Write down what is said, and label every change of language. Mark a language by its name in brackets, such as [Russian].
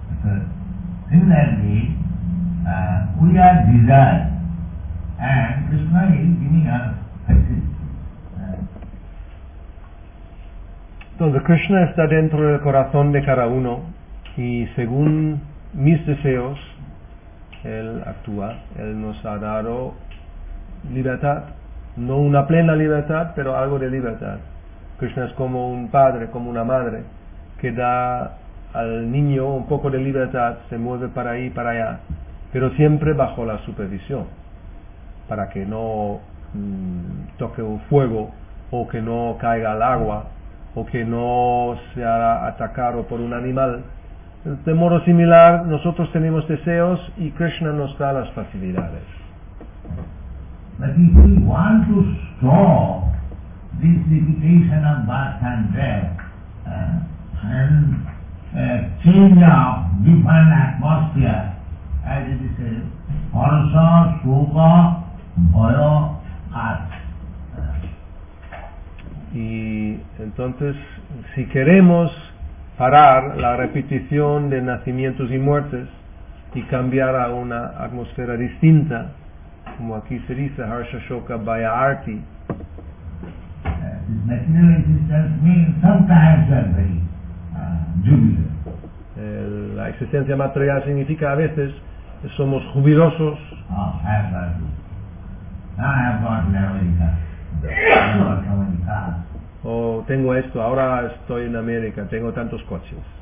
[English] So, similarly, we are desired, and Krishna is giving us facilities. [Spanish] Entonces, Krishna está dentro del corazón de cada uno, y según mis deseos, Él actúa, Él nos ha dado libertad. No una plena libertad, pero algo de libertad. Krishna es como un padre, como una madre, que da al niño un poco de libertad, se mueve para ahí, para allá, pero siempre bajo la supervisión, para que no toque un fuego, o que no caiga al agua, o que no sea atacado por un animal. De modo similar, nosotros tenemos deseos y Krishna nos da las facilidades. [English] But if we want to stop this limitation of birth and death, and change of different atmosphere, as it is said, parasa, soka, bhaya, art. [Spanish] Y entonces, si queremos parar la repetición de nacimientos y muertes y cambiar a una atmósfera distinta, como aquí se dice, Harsha Shoka Baya Arti. [English] This material existence means sometimes very jubilant. [Spanish] La existencia material significa a veces somos jubilosos. [English] I have got America. I have got America. [Spanish] tengo esto, ahora estoy en América, tengo tantos coches.